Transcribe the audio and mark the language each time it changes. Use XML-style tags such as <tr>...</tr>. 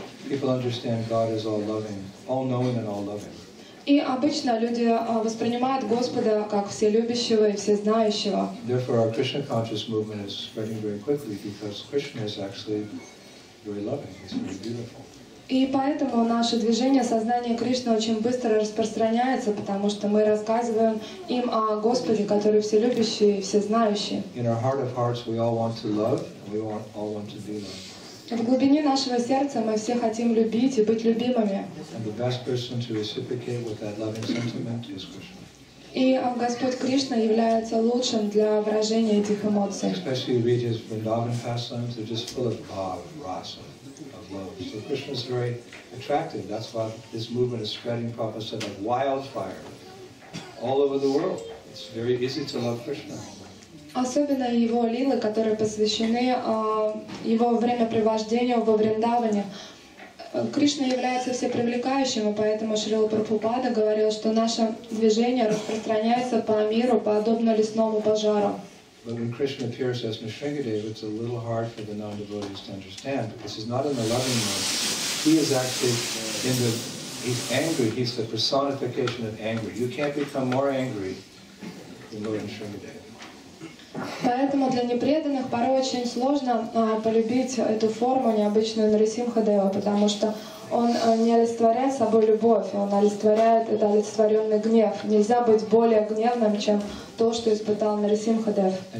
<en>People understand God is all-loving, all-knowing and all-loving.</en> <ru>И обычно люди воспринимают Господа как вселюбящего и всезнающего.</ru> <en>Therefore, our Krishna conscious movement is spreading very quickly because Krishna is actually very loving. He's very beautiful.</en> <ru>И поэтому наше движение сознания Кришны очень быстро распространяется, потому что мы рассказываем им о Господе, который вселюбящий и всезнающий.</ru> <en>In our heart of hearts, we all want to love, and we all want to be loved.</en> <ru>В глубине нашего сердца мы все хотим любить и быть любимыми.</ru> <en>And the best person to reciprocate with that loving sentiment is Krishna.</en> <ru>И Господь Кришна является лучшим для выражения этих эмоций.</ru> <en>Especially you read his Vrindavan pastimes, they're just full of bhava, rasa, of love. So Krishna is very attractive. That's why this movement is spreading, Prabhupada said, like wildfire all over the world. It's very easy to love Krishna.</en> <ru>Особенно его лилы, которые посвящены его времяпривождению во Вриндаване. Кришна является всепривлекающим, и поэтому Шрила Прабхупада говорил, что наше движение распространяется по миру, подобно лесному пожару.</ru> <en>But when Krishna appears as Nrisingadeva, it's a little hard for the non-devotees to understand, because he's not in the loving mode. He is actually in the, he's angry, he's the personification of anger. You can't become more angry than Lord Nrisingadeva.</en> <ru>Поэтому для непреданных порой очень сложно полюбить эту форму, необычную Нарисимхадева, потому что он не олицетворяет собой любовь, он олицетворяет это олицетворенный гнев. Нельзя быть более гневным, чем то, что испытал Нарисимхадев.</ru>